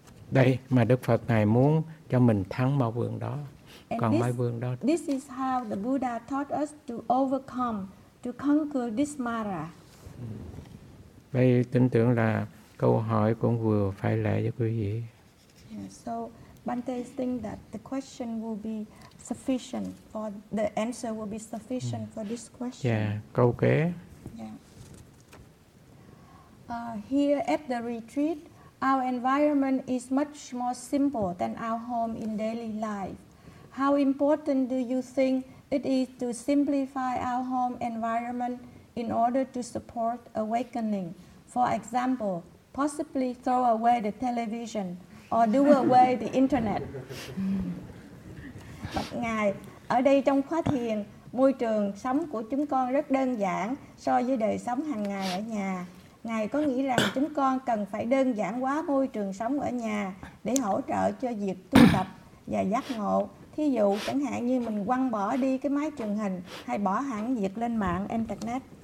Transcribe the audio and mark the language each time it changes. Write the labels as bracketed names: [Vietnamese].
[Vietnamese] Đây mà Đức Phật Ngài muốn cho mình thắng ma vương đó. Còn ma vương đó. [English] This is how the Buddha taught us to overcome, to conquer this Mara. [Vietnamese] Đây tin tưởng là câu hỏi cũng vừa phải lẽ cho quý vị. [English] So, Bhante think that the question will be sufficient or the answer will be sufficient for this question. Yeah, [Vietnamese] câu kế. [English] Here at the retreat, our environment is much more simple than our home in daily life. How important do you think it is to simplify our home environment in order to support awakening? For example, possibly throw away the television or do away the internet. But Ngài, [Vietnamese] ở đây trong khóa thiền, môi trường sống của chúng con rất đơn giản so với đời sống hàng ngày ở nhà. Ngài có nghĩ rằng chúng con cần phải đơn giản quá môi trường sống ở nhà để hỗ trợ cho việc tu tập và giác ngộ. Thí dụ chẳng hạn như mình quăng bỏ đi cái máy truyền hình hay bỏ hẳn việc lên mạng Internet.